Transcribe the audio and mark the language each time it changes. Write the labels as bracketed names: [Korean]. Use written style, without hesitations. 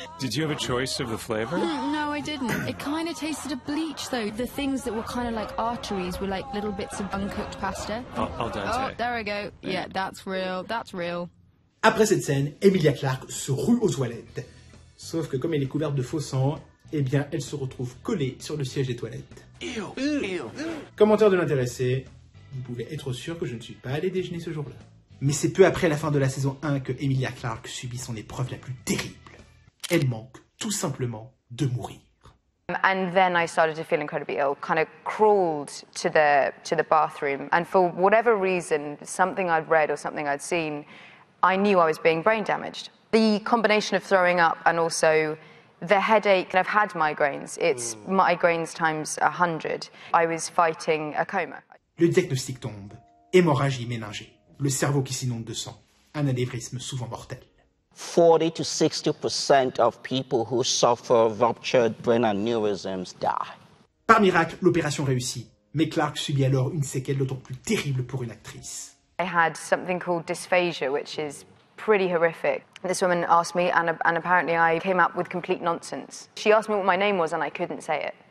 [English] Did you have a choice of the flavor? No, I didn't. It kind of tasted of bleach, though. The things that were kind of like arteries were like little bits of uncooked pasta. I'll dance. Oh, there we go. Yeah, that's real. That's real. [French] Après cette scène, Emilia Clarke se rue aux toilettes. Sauf que comme elle est couverte de faux sang, eh bien, elle se retrouve collée sur le siège des toilettes. Commentaire de l'intéressé, vous pouvez être sûr que je ne suis pas allé déjeuner ce jour-là. Mais c'est peu après la fin de la saison 1 que Emilia Clarke subit son épreuve la plus terrible. Elle manque tout simplement de mourir. [English] And then I started to feel incredibly ill, kind of crawled to the bathroom, and for whatever reason, something I'd read or something I'd seen, I knew I was being brain damaged. The combination of throwing up and also the headache, I've had migraines. It's migraines times 100. I was fighting a coma. [French] Le diagnostic tombe. Hémorragie méningée. Le cerveau qui s'inonde de sang. Un anévrisme souvent mortel. [English] 40 to 60% of people who suffer ruptured brain aneurysms die. [French] Par miracle, l'opération réussit. Mais Clarke subit alors une séquelle d'autant plus terrible pour une actrice. [English] I had something called dysphagia, which is pretty horrific. This woman asked me, and apparently I came up with complete nonsense. She asked me what my name was, and I couldn't say it.